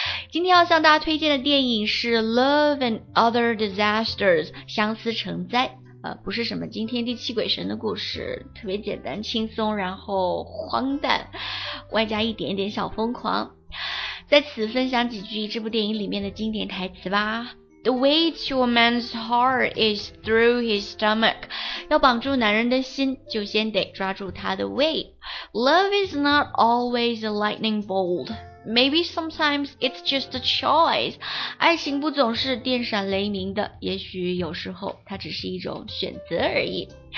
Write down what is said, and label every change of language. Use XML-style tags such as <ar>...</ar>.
<zh>今天要向大家推荐的电影是 Love and Other Disasters, 相思成灾。不是什么惊天地泣鬼神的故事，特别简单轻松，然后荒诞，外加一点点小疯狂。在此分享几句这部电影里面的经典台词吧。</zh> <en>The way to a man's heart is through his stomach.</en> <zh>要绑住男人的心，就先得抓住他的胃。</zh> <en>Love is not always a lightning bolt. Maybe sometimes it's just a choice.</en> <zh>爱情不总是电闪雷鸣的，也许有时候它只是一种选择而已。</zh>